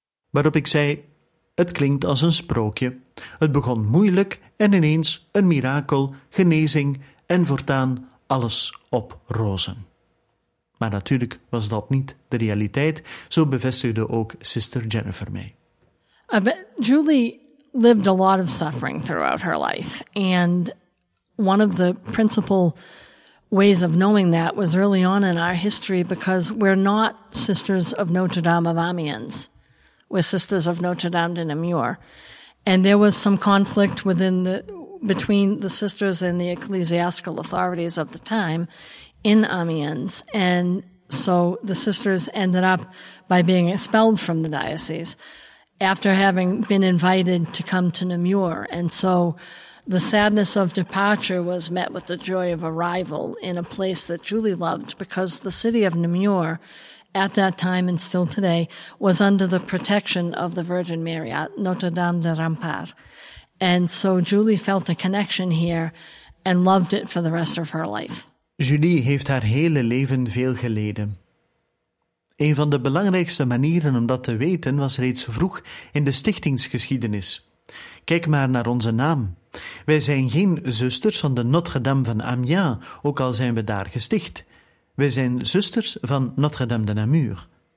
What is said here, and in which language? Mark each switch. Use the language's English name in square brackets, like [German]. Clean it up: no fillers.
[Dutch] Waarop ik zei, het klinkt als een sprookje. Het begon moeilijk en ineens een mirakel, genezing en voortaan alles op rozen. Maar natuurlijk was dat niet de realiteit, zo bevestigde ook Sister Jennifer mij. [English] Julie lived a lot of suffering throughout her life. And one of the principal ways of knowing that was early on in our history, because we're not sisters of Notre Dame of Amiens. We're sisters of Notre Dame de Namur. And there was some conflict between the sisters and the ecclesiastical authorities of the time in Amiens. And so the sisters ended up by being expelled from the diocese after having been invited to come to Namur. And so the sadness of departure was met with the joy of arrival in a place that Julie loved, because the city of Namur, at that time and still today, was under the protection of the Virgin Mary at Notre Dame de Rampart. And so Julie felt a connection here and loved it for the rest of her life. [Dutch] Julie heeft haar hele leven veel geleden. Een van de belangrijkste manieren om dat te weten was reeds vroeg in de stichtingsgeschiedenis. Kijk maar naar onze naam. Wij zijn geen zusters van de Notre-Dame van Amiens, ook al zijn we daar gesticht. Wij zijn zusters van Notre-Dame de Namur.